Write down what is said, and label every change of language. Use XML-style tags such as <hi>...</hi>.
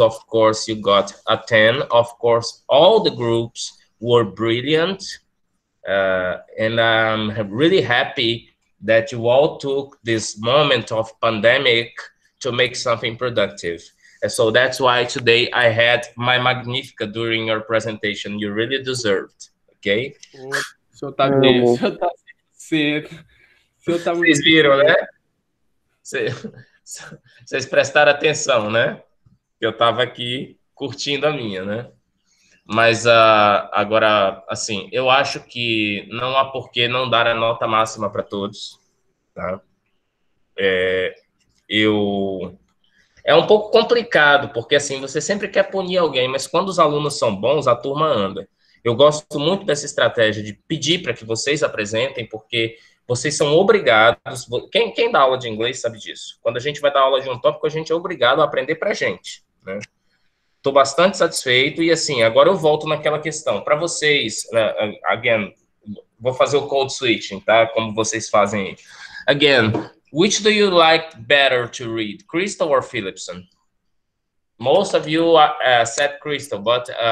<en>Of course, you got a 10. Of course, all the groups were brilliant. And I'm really happy that you all took this moment of pandemic to make something productive. And so that's why today I had my Magnifica during your presentation. You really deserved, okay?</en> <pt>O senhor tá bem, o senhor tá cedo. O senhor tá muito. Vocês viram, né? Vocês prestaram atenção, né? Eu tava aqui curtindo a minha, né? Mas agora, assim, eu acho que não há por que não dar a nota máxima para todos, tá? É um pouco complicado, porque assim, você sempre quer punir alguém, mas quando os alunos são bons, a turma anda. Eu gosto muito dessa estratégia de pedir para que vocês apresentem, porque vocês são obrigados. Quem dá aula de inglês sabe disso. Quando a gente vai dar aula de um tópico, a gente é obrigado a aprender para a gente, né? Tô bastante satisfeito e, assim, agora eu volto naquela questão. Para vocês, again, vou fazer o code switching, tá? Como vocês fazem aí.</pt> <en>Again, which do you like better to read, Crystal or Philipson? Most of you said Crystal, but</en>